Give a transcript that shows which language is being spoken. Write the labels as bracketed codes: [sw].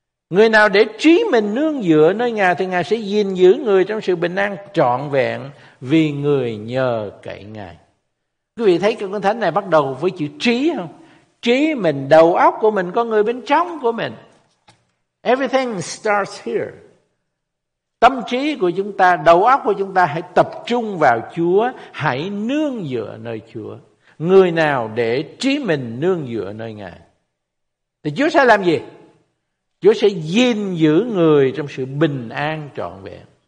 [vi] Người nào để trí mình nương dựa nơi Ngài thì Ngài sẽ gìn giữ người trong sự bình an trọn vẹn vì người nhờ cậy Ngài. Quý vị thấy câu kinh thánh này bắt đầu với chữ trí không? Trí mình, đầu óc của mình, con người bên trong của mình. [en] Everything starts here. [vi] Tâm trí của chúng ta, đầu óc của chúng ta hãy tập trung vào Chúa, hãy nương dựa nơi Chúa. Người nào để trí mình nương dựa nơi Ngài thì Chúa sẽ làm gì? Chúa sẽ gìn giữ người trong sự bình an trọn vẹn.